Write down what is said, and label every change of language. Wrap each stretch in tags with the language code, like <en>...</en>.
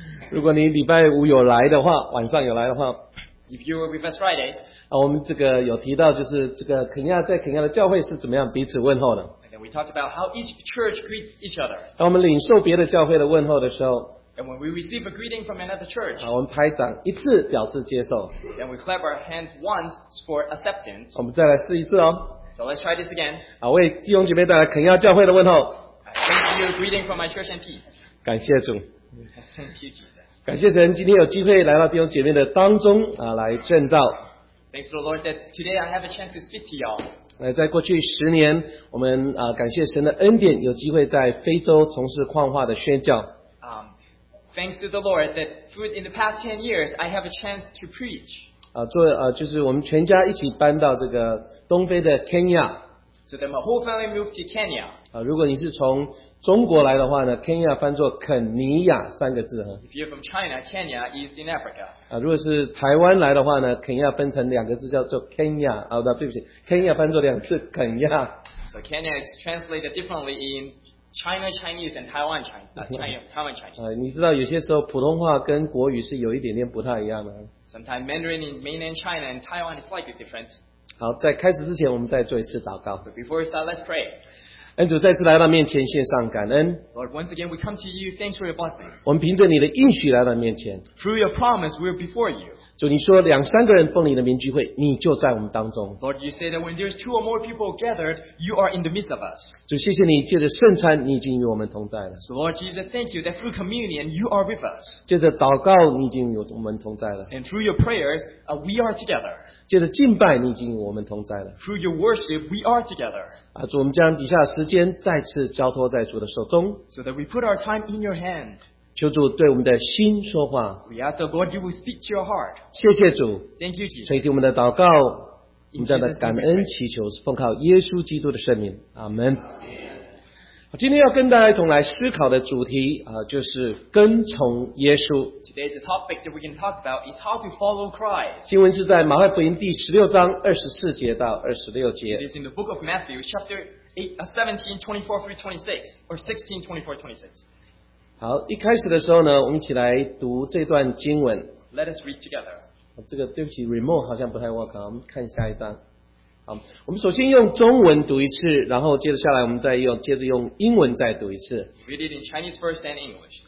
<zh>如果你礼拜五有来的话，晚上有来的话</zh> <en>，If you were with us Friday,</en> <zh>我们这个有提到就是这个肯亚在肯亚的教会是怎么样彼此问候的。</zh> <en>And then we talked about how each church greets each other.</en> <zh>当我们领受别的教会的问候的时候。</zh> <en>And when we receive a greeting from another church,</en> <zh>我们拍掌一次表示接受。</zh> <en>Then we clap our hands once for acceptance.</en> <zh>我们再来试一次哦。</zh> <en>So let's try this again.</en> <zh>好，为弟兄姐妹带来肯亚教会的问候。</zh> <en>Thank you, greeting from my church and peace.</en> <zh>感谢主。</zh> <en>Thank you, Jesus.</en> <zh>感谢神，今天有机会来到弟兄姐妹的当中啊，来证道。</zh> <en>Thanks to the Lord that today I have a chance to speak to y'all.</en> <zh>在过去十年，我们啊感谢神的恩典，有机会在非洲从事矿化的宣教。</zh> <en>Thanks to the Lord that in the past 10 years I have a chance to preach.</en> <zh>就是我们全家一起搬到这个东非的 Kenya.</zh> <en>So that my whole family moved to Kenya.</en> <zh>如果你是从中国来的话呢 ，Kenya 翻作肯尼亚三个字哈。</zh> <en>If you're from China, Kenya is in Africa.</en> <zh>如果是台湾来的话呢 ，Kenya 分成两个字叫做 Kenya. Kenya 翻作两次肯亚。</zh> <en>So Kenya is translated differently in. China Chinese and Taiwan Chinese.</en> <zh>你知道有些时候普通话跟国语是有一点点不太一样的。</zh> <en>Sometimes Mandarin in mainland China and Taiwan is slightly different.</en> <zh>好，在开始之前，我们再做一次祷告。</zh> <en>But before we start, let's pray.</en> <zh>恩主再次来到面前，献上感恩。</zh> <en>Lord, once again, we come to you. Thanks for your blessing.</en> <zh>我们凭着你的应许来到面前。</zh> <en>Through your promise, we're before you.</en> <zh>主，你说两三个人奉你的名聚会，你就在我们当中。</zh> <en>Lord, you say that when there's two or more people gathered, you are in the midst of us.</en> <zh>主，谢谢你借着圣餐，你已经与我们同在了。</zh> <en>So Lord Jesus, thank you that through communion, you are with us.</en> <zh>借着祷告，你已经与我们同在了。</zh> <en>And through your prayers, we are together.</en> <zh>借着敬拜，你已经与我们同在了。</zh> <en>Through your worship, we are together.</en> <zh>主，我们将以下时间再次交托在主的手中。</zh> <en>So that we put our time in your hand.</en> <zh>求主对我们的心说话。</zh> <en>We ask the Lord, you will speak to your heart.</en> <zh>谢谢主。</zh> <en>Thank you, Jesus.</en> <zh>垂听我们的祷告，我们这样的感恩祈求是奉靠耶稣基督的圣名。阿门。今天要跟大家一同来思考的主题就是跟从耶稣。</zh> <en>Today the topic that we can talk about is how to follow Christ.</en> <zh>经文是在马太福音第16章24节到26节。</zh> <en>It is in the book of Matthew, chapter 17:24-26.</en> <zh>好，一开始的时候呢，我们一起来读这段经文。</zh> <en>Let us read together.</en> <zh>这个对不起 ，remote 好像不太 work。我们看下一章。好，我们首先用中文读一次，然后接着下来我们再用，接着用英文再读一次。</zh> <en>Read it in Chinese first and English.</en>